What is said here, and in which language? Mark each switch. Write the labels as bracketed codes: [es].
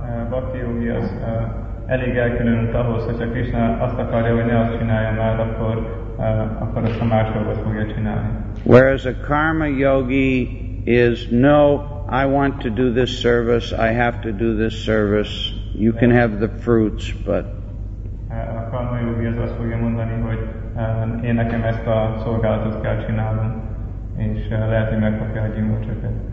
[hu] Bhakti yogi az elég elkülönült ahhoz, hogyha Krishna azt akarja, hogy ne azt csinálja már, akkor azt a más dolgot fogja csinálni. [en] Whereas a karma yogi is, no, I want to do this service, I have to do this service, you can have the fruits, but... [hu] A karma yogi az azt fogja mondani, hogy én nekem ezt a szolgálatot kell csinálnom, és lehet, hogy megkapja a gyümölcsöket.